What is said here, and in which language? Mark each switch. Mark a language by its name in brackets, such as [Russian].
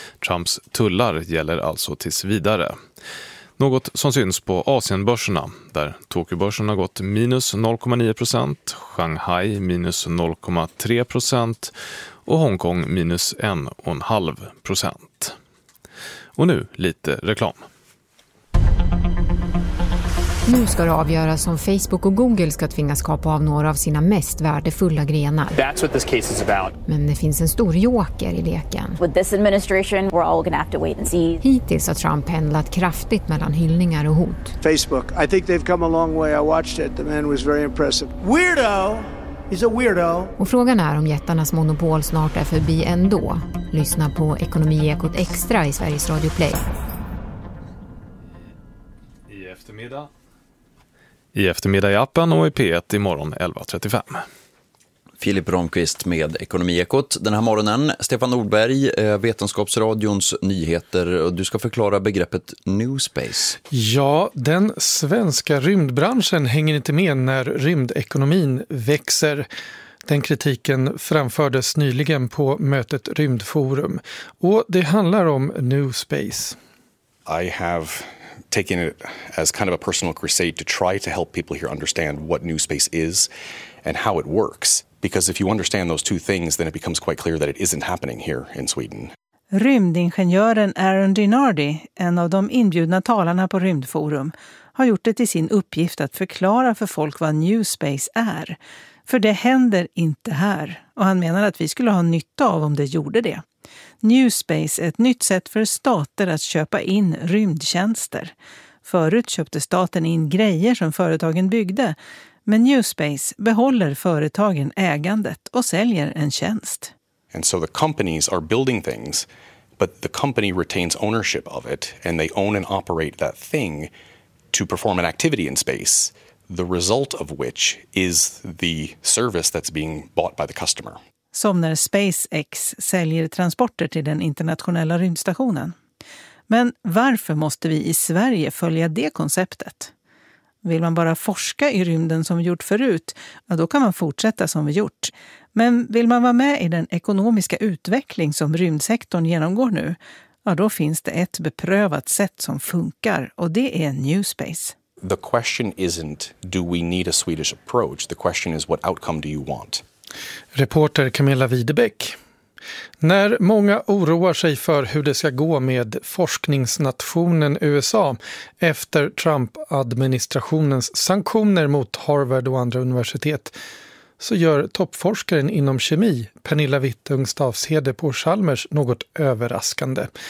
[Swedish] Trumps tullar gäller alltså tills vidare. Något som syns på Asienbörserna, där Tokyobörsen har gått minus 0,9%, Shanghai minus 0,3% och Hongkong minus 1,5%. Och nu lite reklam. Nu ska det avgöras om Facebook och Google ska tvingas kapa av några av sina mest värdefulla grenar. [English] That's what this case is about. [Swedish] Men det finns en stor joker i leken. [English] With this administration, we're all gonna have to wait and see. [Swedish] Hittills har Trump pendlat kraftigt mellan hyllningar och hot. [English] Facebook, I think they've come a long way. I watched it. The man was very impressive. Weirdo! He's a weirdo. [Swedish] Och frågan är om jättarnas monopol snart är förbi ändå. Lyssna på Ekonomiekot Extra i Sveriges Radio Play. I eftermiddag i appen och i P1 imorgon 11.35. Filip Romqvist med Ekonomiekot. Den här morgonen, Stefan Nordberg, Vetenskapsradions nyheter. Du ska förklara begreppet New Space. Ja, den svenska rymdbranschen hänger inte med när rymdekonomin växer. Den kritiken framfördes nyligen på mötet Rymdforum. Och det handlar om New Space. [English] I have taking it as kind of a personal crusade to try to help people here understand what new space is and how it works. Because if you understand those two things, then it becomes quite clear that it isn't happening here in Sweden. [Swedish] Rymdingenjören Aaron Dinardi, en av de inbjudna talarna på Rymdforum, har gjort det till sin uppgift att förklara för folk vad new space är. För det händer inte här, och han menar att vi skulle ha nytta av om det gjorde det. New Space är ett nytt sätt för stater att köpa in rymdtjänster. Förut köpte staten in grejer som företagen byggde, men New Space behåller företagen ägandet och säljer en tjänst. [English] And so the companies are building things, but the company retains ownership of it and they own and operate that thing to perform an activity in space, the result of which is the service that's being bought by the customer. [Swedish] Som när SpaceX säljer transporter till den internationella rymdstationen. Men varför måste vi i Sverige följa det konceptet? Vill man bara forska i rymden som vi gjort förut, ja då kan man fortsätta som vi gjort. Men vill man vara med i den ekonomiska utveckling som rymdsektorn genomgår nu, ja då finns det ett beprövat sätt som funkar, och det är New Space. [English] The question isn't do we need a Swedish approach, the question is what outcome do you want? [Swedish] Reporter Camilla Widebeck. När många oroar sig för hur det ska gå med forskningsnationen USA efter Trump-administrationens sanktioner mot Harvard och andra universitet så gör toppforskaren inom kemi, Pernilla Wittung Stavshede på Chalmers, något överraskande.